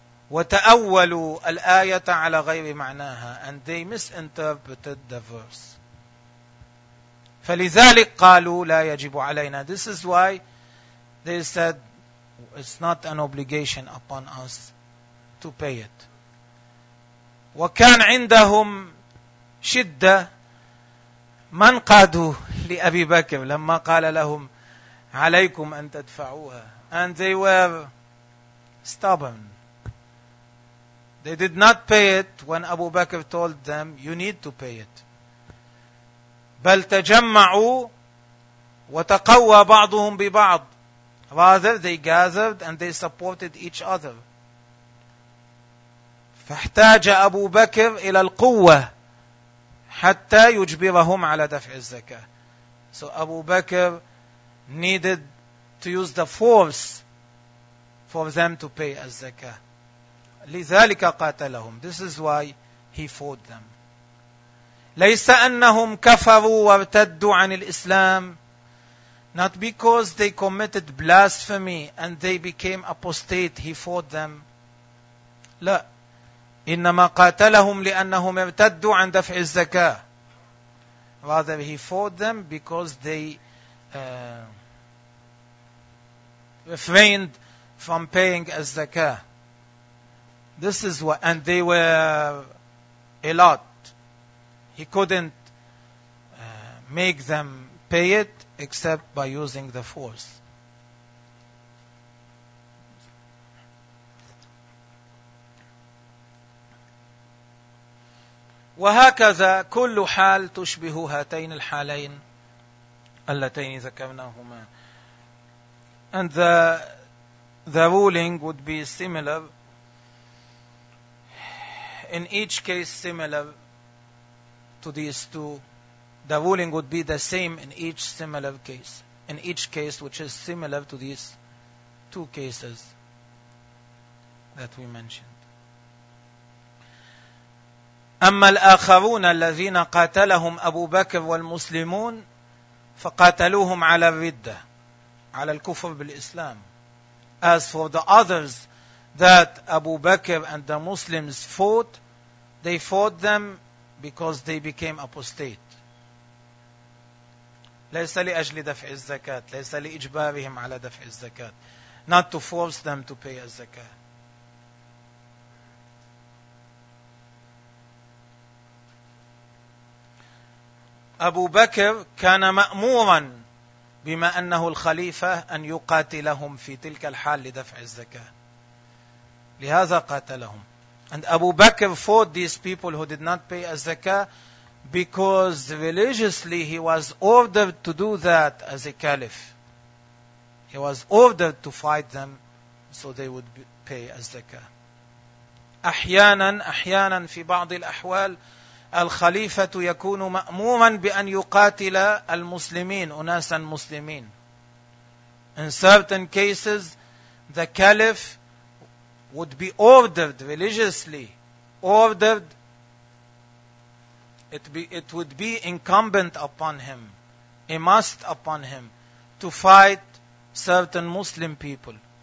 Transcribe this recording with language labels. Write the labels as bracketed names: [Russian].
[Arabic] وتأولوا الآية على غير معناها. [English] And they misinterpreted the verse. [Arabic] فلذلك قالوا لا يجب علينا. [English] This is why they said it's not an obligation upon us to pay it. [Arabic] وكان عندهم شدة من قادوا لأبي بكر لما قال لهم عليكم أن تدفعوها. [English] And they were stubborn. They did not pay it when Abu Bakr told them you need to pay it. [Arabic] بل تجمعوا وتقوى بعضهم ببعض. [English] Rather, they gathered and they supported each other. [Arabic] فاحتاج أبو بكر إلى القوة حتى يجبرهم على دفع الزكاة. [English] So Abu Bakr needed to use the force for them to pay al-zakah. [Arabic] لذلك قاتلهم. [English] This is why he fought them. [Arabic] ليس أنهم كفروا وارتدوا عن الإسلام. [English] Not because they committed blasphemy and they became apostate, he fought them. [Arabic] لا. إنما قاتلهم لأنهم ارتدوا عن دفع الزكاة. [English] Rather, he fought them because they refrained from paying al-zakah. This is what, and they were a lot. He couldn't make them pay it except by using the force. [Arabic] وهكذا كل حال تشبه هاتين الحالين اللتين ذكرناهما. [English] And the ruling would be similar. In each case similar to these two. The ruling would be the same in each similar case. In each case which is similar to these two cases that we mentioned. [Arabic] أما الآخرون الذين قاتلهم أبو بكر والمسلمون فقاتلوهم على الردة على الكفر بالإسلام. [English] As for the others that Abu Bakr and the Muslims fought, they fought them because they became apostate. [Arabic] ليس لأجل دفع الزكاة. ليس لإجبارهم على دفع الزكاة. [English] Not to force them to pay الزكاة. [Arabic] أبو بكر كان مأمورا بما أنه الخليفة أن يقاتلهم في تلك الحال لدفع الزكاة. لهذا قاتلهم. [English] And Abu Bakr fought these people who did not pay al-zakah because religiously he was ordered to do that as a caliph. He was ordered to fight them so they would pay al-zakah. [Arabic] أحيانا في بعض الأحوال الخليفة يكون مأموما بأن يقاتل المسلمين أناسا مسلمين. [English] In certain cases, the caliph would be ordered religiously. Ordered, it would be incumbent upon him, a must upon him, to fight certain Muslim people.